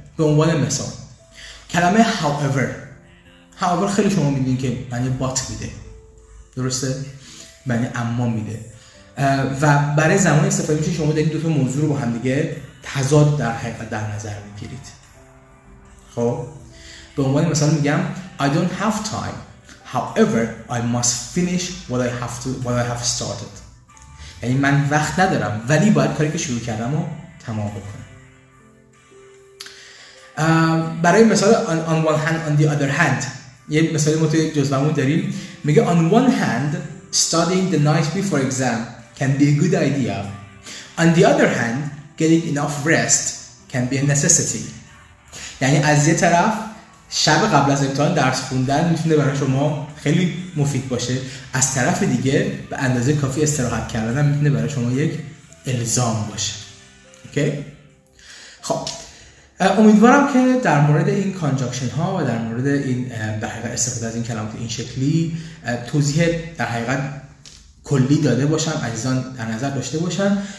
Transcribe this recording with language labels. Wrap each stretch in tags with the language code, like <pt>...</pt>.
<fa>به عنوان مثال کلمه however، however خیلی شما میدین که معنی but میده، درسته؟ معنی اما میده، و برای زمان استفاده میشه شما دارید دو تا موضوع رو با هم دیگه تضاد در حقیقت در نظر میگیرید. خب به عنوان مثال میگم</fa> <en>I don't have time however I must finish what I have started.</en> <fa>یعنی من وقت ندارم ولی باید کاری که شروع کردم رو تمام بکنم. برای مثال</fa> <en>on one hand on the other hand،</en> <fa>یه مثال ما توی جزوه‌مون داریم، میگه</fa> <en>on one hand studying the night before exam can be a good idea، on the other hand getting enough rest can be a necessity.</en> <fa>یعنی از یه طرف شب قبل از امتحان درس خوندن میتونه برای شما خیلی مفید باشه، از طرف دیگه به اندازه کافی استراحت کردن میتونه برای شما یک الزام باشه. اوکی؟ خب امیدوارم که در مورد این کانجاکشن ها و در مورد این در حقیقت استفاده از این کلمات این شکلی توضیح در حقیقت کلی داده باشم، عزیزان در نظر داشته باشن.</fa>